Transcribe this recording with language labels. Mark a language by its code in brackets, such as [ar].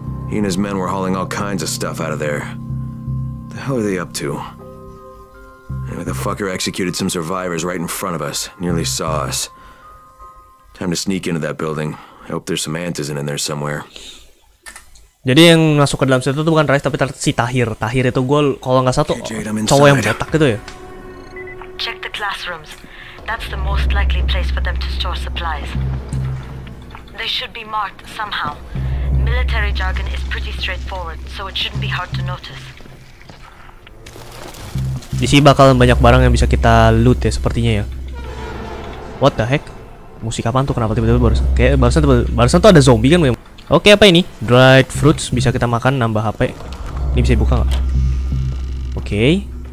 [en] He and his men were hauling all kinds of stuff out of there. The hell are they up to? Anyway, the fucker executed some survivors right in front of us. Nearly saw us. Time to sneak into that building. I hope there's some antizen in there somewhere. [id] Jadi yang masuk ke dalam situ tuh bukan Rice tapi si Tahir. Tahir itu gue kalau nggak satu cowok yang botak gitu ya. [en] Check the classrooms. That's the most likely place for them to store supplies. They should be marked somehow. Military jargon is pretty straightforward, so it shouldn't be hard to notice. [id] Di sini bakalan banyak barang yang bisa kita loot ya sepertinya ya. [en] What the heck? [id] Musik apaan tuh? Kenapa tiba-tiba barusan? Kayak barusan tuh ada zombie kan? Oke, apa ini? Dried fruits bisa kita makan nambah HP. Ini bisa dibuka nggak? Oke.